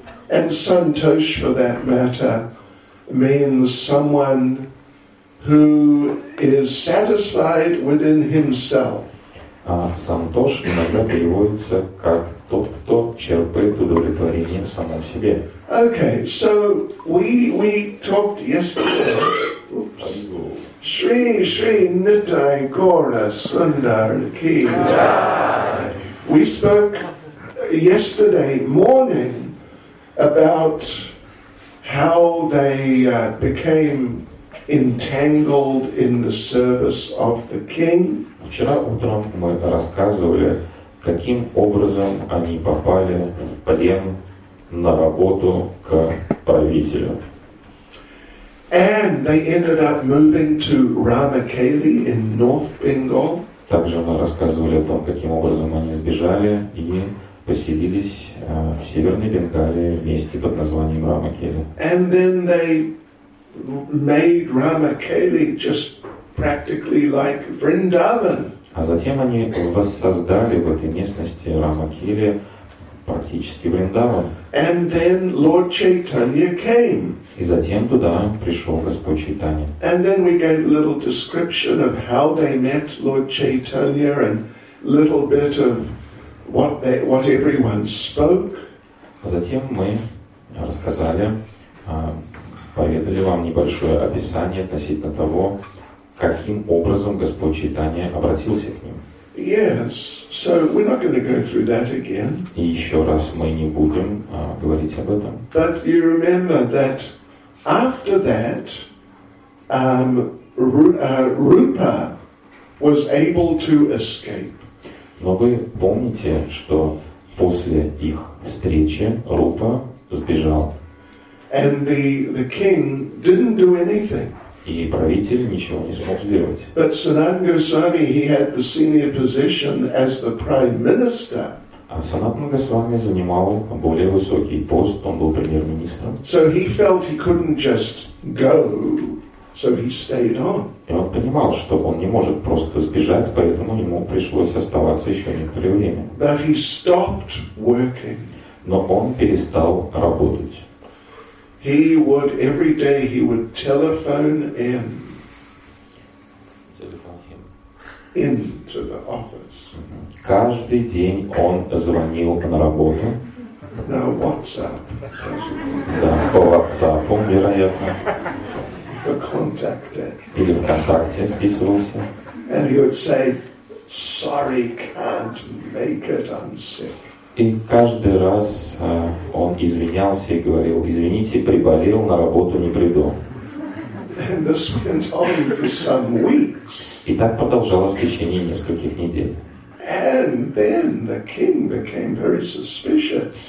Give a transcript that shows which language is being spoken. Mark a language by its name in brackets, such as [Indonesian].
[English] And Santosh, for that matter, means someone who is satisfied within himself. [Russian] А Santosh иногда переводится как тот, кто черпает удовлетворение в самом себе. [English] Okay, so we talked yesterday. Oops. [Bangla] Shri Shri Nitai Gora Sundar Ki. [English] We spoke yesterday morning about how they became entangled in the service of the king. [Russian] Вчера утром мы рассказывали, каким образом они попали в плен на работу к правителю. [English] And they ended up moving to Ramakeli in North Bengal. [Russian] Также мы рассказывали о том, каким образом они сбежали и поселились в Северной Бенгалии в месте под названием Рамакели. [English] And then they made Ramakeli just practically like Vrindavan. [Russian] А затем они воссоздали в этой местности Рамакели практически Вриндаван. [English] And then Lord Chaitanya came. [Russian] И затем туда пришел Господь Чайтанья. [English] And then we gave a little description of how they met Lord Chaitanya and little bit of what everyone spoke. [Russian] А затем мы рассказали, поведали вам небольшое описание относительно того, каким образом Господь Чайтанья обратился к ним. [English] Yes, so we're not going to go through that again. [Russian] И еще раз мы не будем говорить об этом. [English] But you remember that after that, Rupa was able to escape. [Russian] Но вы помните, что после их встречи Рупа сбежал. [English] And the king didn't do anything. [Russian] И правитель ничего не смог сделать. [English] But Sanat Goswami, he had the senior position as the prime minister. [Russian] А Санат Гасвами занимал более высокий пост, он был премьер-министром. [English] So he felt he couldn't just go, so he stayed on. [Russian] И он понимал, что он не может просто сбежать, поэтому ему пришлось оставаться еще некоторое время. [English] But he stopped working. [Russian] Но он перестал работать. [English] He would every day he would telephone in. Telephone him. Into the office. [Russian] Каждый день он звонил на работу. [English] No WhatsApp. [Russian] Да, по WhatsApp, вероятно. [English] The contact. [Russian] Или ВКонтакте списывался. [English] And he would say, sorry, can't make it, I'm sick. [Russian] И каждый раз он извинялся и говорил, извините, приболел, на работу не приду. [English] And this went on for some weeks. [Russian] И так продолжалось в течение нескольких недель. [English] And then the king became very suspicious.